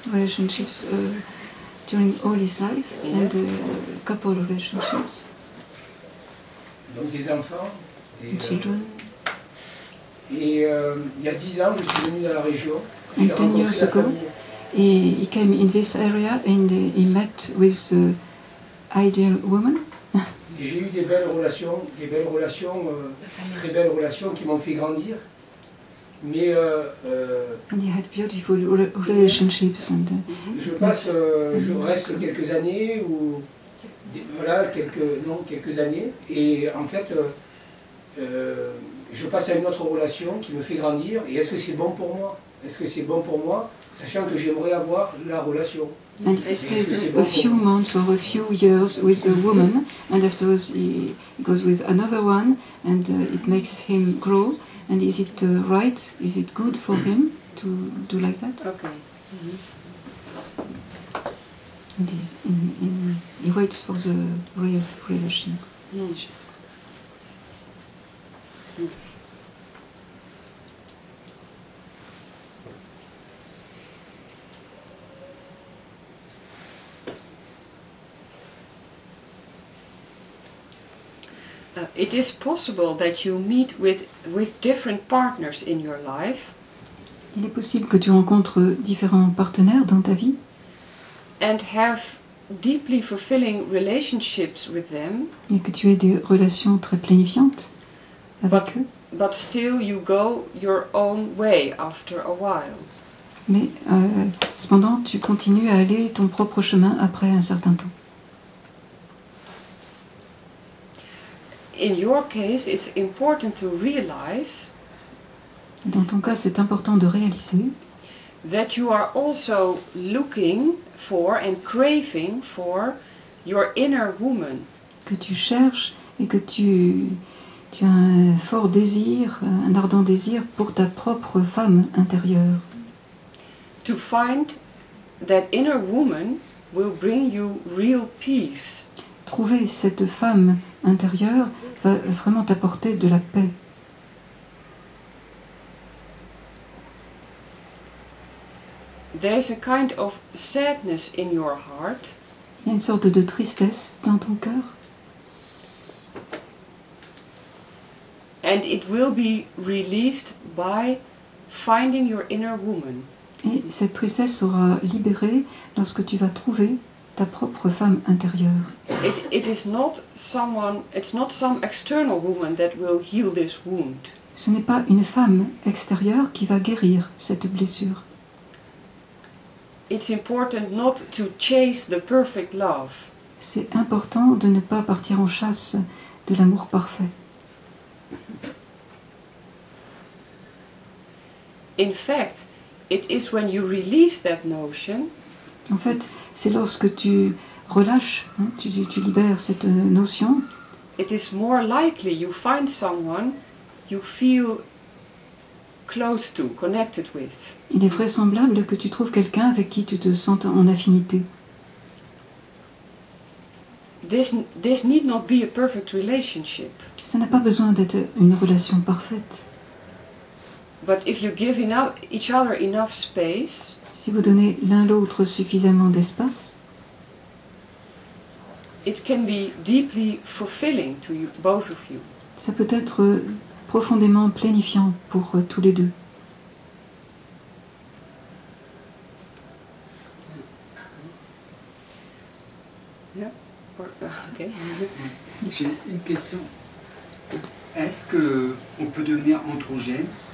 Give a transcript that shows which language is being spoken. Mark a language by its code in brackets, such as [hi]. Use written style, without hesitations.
[en] relationships during all his life, and a couple of relationships. [fr] Donc des enfants. [en] Children. [fr] Et il y a 10 ans, je suis venu dans la région. [en] And 10 years ago, he came in this area and he met with the ideal woman. [fr] Et j'ai eu des belles relations qui m'ont fait grandir. Mais [en] and he had beautiful relationships. And, [fr] je reste quelques années ou voilà quelques années et en fait. Je passe à une autre relation qui me fait grandir. Et est-ce que c'est bon pour moi? Est-ce que c'est bon pour moi, sachant que j'aimerais avoir la relation? [en] A few months or a few years with a woman, and afterwards he goes with another one, and it makes him grow. And is it right? Is it good for him to do like that? Okay. And he waits for the real relation. It is possible that you meet with different partners in your life. [fr] Il est possible que tu rencontres différents partenaires dans ta vie. [en] And have deeply fulfilling relationships with them. [fr] Et que tu aies des relations très plénifiantes. [en] But still you go your own way after a while. [fr] Mais cependant tu continues à aller ton propre chemin après un certain temps. [en] In your case it's important to realize, [fr] dans ton cas c'est important de réaliser, [en] that you are also looking for and craving for your inner woman. [fr] Que tu cherches et que tu as un fort désir, un ardent désir pour ta propre femme intérieure. [en] To find that inner woman will bring you real peace. [fr] Trouver cette femme intérieure va vraiment t'apporter de la paix. [en] There is a kind of sadness in your heart. [fr] Il y a une sorte de tristesse dans ton cœur. [en] And it will be released by finding your inner woman. [fr] Et cette tristesse sera libérée lorsque tu vas trouver ta propre femme intérieure. [en] It's not some external woman that will heal this wound. [fr] Ce n'est pas une femme extérieure qui va guérir cette blessure. [en] It's important not to chase the perfect love. [fr] C'est important de ne pas partir en chasse de l'amour parfait. [en] In fact, it is when you release that notion. [fr] En fait, c'est lorsque tu relâches, hein, tu libères cette notion. [en] It is more likely you find someone you feel close to, connected with. [fr] Il est vraisemblable que tu trouves quelqu'un avec qui tu te sens en affinité. [en] This need not be a perfect relationship. [fr] Ça n'a pas besoin d'être une relation parfaite. [en] But if you give each other enough space, [fr] si vous donnez l'un l'autre suffisamment d'espace, [en] it can be deeply fulfilling to you, both of you. [fr] Ça peut être profondément plénifiant pour tous les deux. [en] Okay. [fr] J'ai une question. Est-ce que on peut devenir androgène?